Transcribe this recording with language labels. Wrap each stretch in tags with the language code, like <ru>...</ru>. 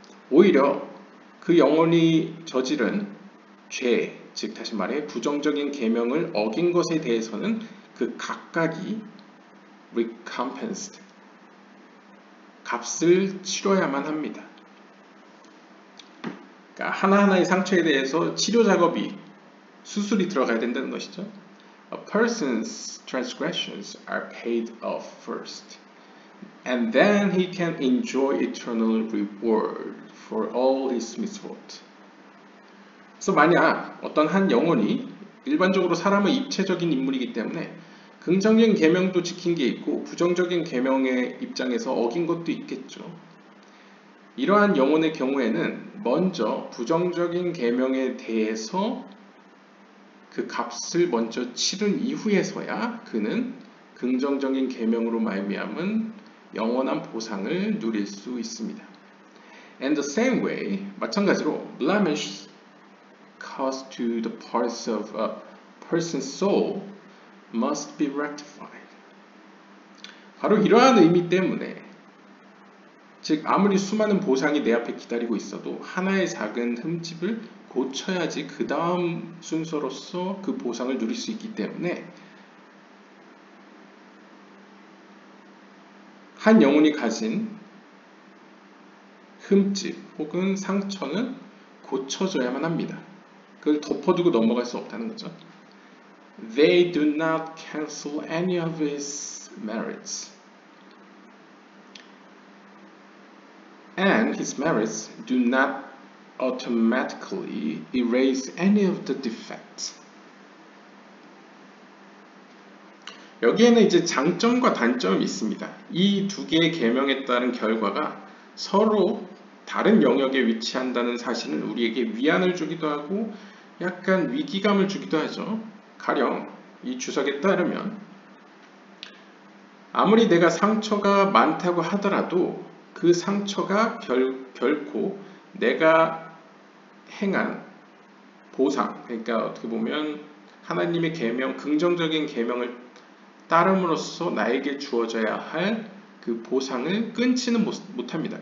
<ko>오히려 그 영혼이 저지른 죄, 즉 다시 말해 부정적인 계명을 어긴 것에 대해서는 그 각각이</ko> <en>recompensed,</en> <ko>값을 치러야만 합니다. 그러니까 하나하나의 상처에 대해서 치료 작업이, 수술이 들어가야 된다는 것이죠.</ko> <en>A person's transgressions are paid off first, and then he can enjoy eternal reward for all his misfortune.</en> <ko>그래서 만약 어떤 한 영혼이 일반적으로 사람은 입체적인 인물이기 때문에 긍정적인 계명도 지킨 게 있고 부정적인 계명의 입장에서 어긴 것도 있겠죠. 이러한 영혼의 경우에는 먼저 부정적인 계명에 대해서 그 값을 먼저 치른 이후에서야 그는 긍정적인 계명으로 말미암은 영원한 보상을 누릴 수 있습니다.</ko> <en>And the same way,</en> <ko>마찬가지로</ko> <en>blemish caused to the parts of a person's soul must be rectified.</en> <ko>바로 이러한 의미 때문에 즉 아무리 수많은 보상이 내 앞에 기다리고 있어도 하나의 작은 흠집을 고쳐야지 그 다음 순서로서 그 보상을 누릴 수 있기 때문에 한 영혼이 가진 흠집 혹은 상처는 고쳐져야만 합니다. 그걸 덮어두고 넘어갈 수 없다는 거죠.</ko> <en>They do not cancel any of his merits. And his merits do not automatically erase any of the defects.</en> <ko>여기에는 이제 장점과 단점이 있습니다. 이 두 개의 계명에 따른 결과가 서로 다른 영역에 위치한다는 사실은 우리에게 위안을 주기도 하고 약간 위기감을 주기도 하죠. 가령 이 주석에 따르면 아무리 내가 상처가 많다고 하더라도 그 상처가 결코 내가 행한 보상, 그러니까 어떻게 보면 하나님의 계명, 긍정적인 계명을 따름으로써 나에게 주어져야 할 그 보상을 끊지는 못합니다.</ko>